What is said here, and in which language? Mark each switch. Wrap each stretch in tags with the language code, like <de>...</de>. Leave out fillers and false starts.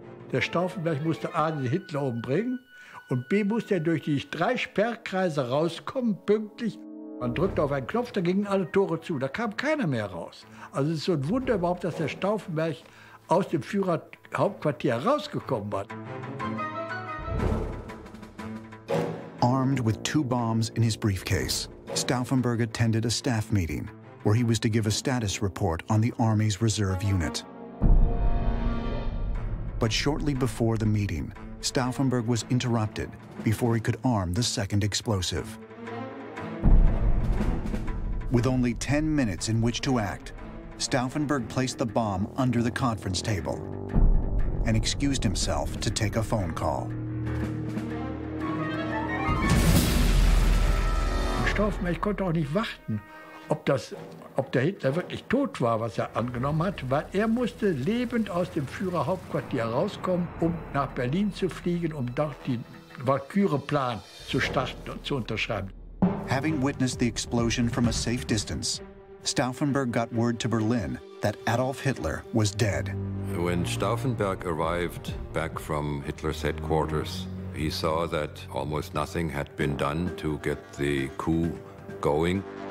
<de>Der Stauffenberg musste A, den Hitler umbringen, und B, musste durch die drei Sperrkreise rauskommen, pünktlich. Man drückte auf einen Knopf, da gingen alle Tore zu. Da kam keiner mehr raus. Also es ist so ein Wunder überhaupt, dass der Stauffenberg aus dem Führerhauptquartier rausgekommen war.</de> <en>Armed with two bombs in his briefcase, Stauffenberg attended a staff meeting, where he was to give a status report on the Army's reserve unit. But shortly before the meeting, Stauffenberg was interrupted before he could arm the second explosive. With only 10 minutes in which to act, Stauffenberg placed the bomb under the conference table. and excused himself to take a phone call.</en> <de>Ich konnte auch nicht warten, ob der Hitler wirklich tot war, was er angenommen hat, weil er musste lebend aus dem Führerhauptquartier herauskommen, um nach Berlin zu fliegen, um dort den Valkyrie-Plan zu starten und zu unterschreiben.</de> <en>Having witnessed the explosion from a safe distance, Stauffenberg got word to Berlin that Adolf Hitler was dead. When Stauffenberg arrived back from Hitler's headquarters, he saw that almost nothing had been done to get the coup going.</en>